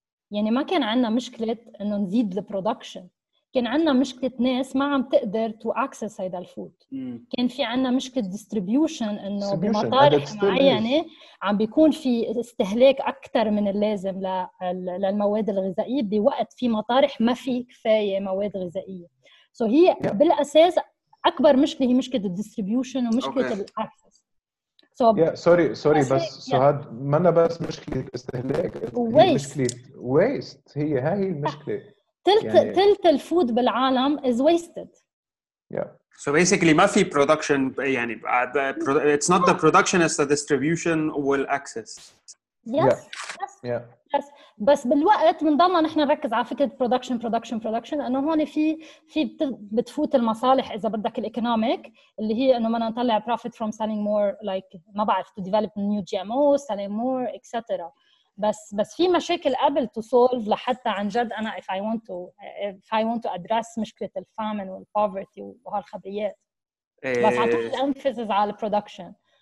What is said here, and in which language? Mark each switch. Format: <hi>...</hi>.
<ar>يعني ما كان عنا مشكلة إنه نزيد الـ production كان عنا مشكلة ناس ما عم تقدر to access هيدا الفود كان في عنا مشكلة distribution إنه بمطارح معينة عم بيكون في استهلاك أكتر من اللازم للمواد الغذائية بوقت في مطارح ما في كفاية مواد غذائية so هي yeah. بالأساس أكبر مشكلة هي مشكلة distribution ومشكلة access so yeah, sorry بس سهاد ما أنا بس مشكلة استهلاك</ar> <en>waste.</en> <ar>مشكلة waste هي ها هي المشكلة تلت الفود بالعالم is wasted.</ar> <en>Yeah. So basically ما في production يعني it's not the production it's the distribution will access. Yes.</en> <ar>بس بالوقت بنضلنا نحن نركز على فكرة production لأنه هون في بتفوت المصالح إذا بدك الإيكونوميك اللي هي إنه ما نطلع profit from selling more like ما بعرف to develop new GMOs selling more etc. بس في مشاكل قبل to solve لحتى عن جد أنا if I want to address مشكلة الفامن والpoverty وهالخبريات بس عم تقول emphasis على production</ar>